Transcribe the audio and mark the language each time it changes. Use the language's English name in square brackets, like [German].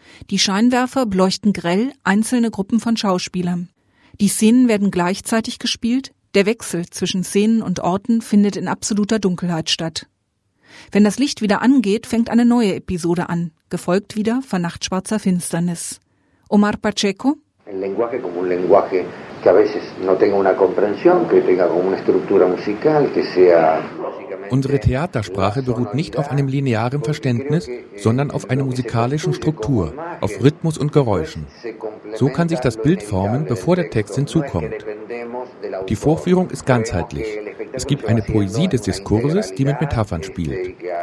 [German] Die Scheinwerfer beleuchten grell einzelne Gruppen von Schauspielern. Die Szenen werden gleichzeitig gespielt. Der Wechsel zwischen Szenen und Orten findet in absoluter Dunkelheit statt. Wenn das Licht wieder angeht, fängt eine neue Episode an, gefolgt wieder von nachtschwarzer Finsternis. Omar Pacheco? [Spanish] El lenguaje como un lenguaje que a veces no tenga una comprensión, que tenga como una estructura musical, que sea. [German] Unsere Theatersprache beruht nicht auf einem linearen Verständnis, sondern auf einer musikalischen Struktur, auf Rhythmus und Geräuschen. So kann sich das Bild formen, bevor der Text hinzukommt. Die Vorführung ist ganzheitlich. Es gibt eine Poesie des Diskurses, die mit Metaphern spielt.